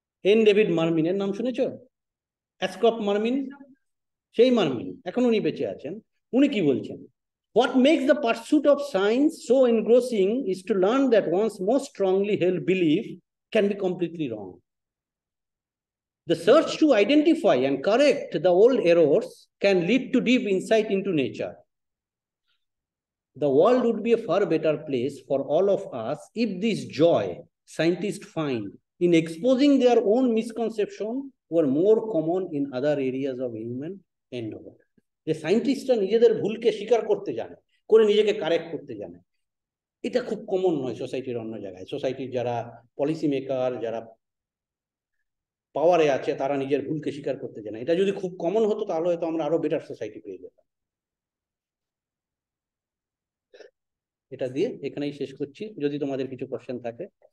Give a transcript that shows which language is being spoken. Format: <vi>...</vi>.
<bn>N David মারমিনের নাম শুনেছ? অ্যাসক্রপ মারমিন, সেই মারমিন এখন উনি বেঁচে আছেন. উনি কি বলছেন,</bn> <en>What makes the pursuit of science so engrossing is to learn that once most strongly held belief can be completely wrong. The search to identify and correct the old errors can lead to deep insight into nature. The world would be a far better place for all of us if this joy scientists find in exposing their own misconception were more common in other areas of human endeavor.</en> <bn>The scientists are nijeder bhulke shikar korte jane, kore nijeke correct korte jane. Eta khub common noy society-r onno jaygay. Society jara policy maker, jara পাওয়ারে আছে, তারা নিজের ভুলকে স্বীকার করতে জানে. এটা যদি খুব কমন হতো তাহলে হয়তো আমরা আরো বেটার সোসাইটি পেয়ে যেতাম. এটা দিয়ে এখানেই শেষ করছি, যদি তোমাদের কিছু কোশ্চেন থাকে.</bn>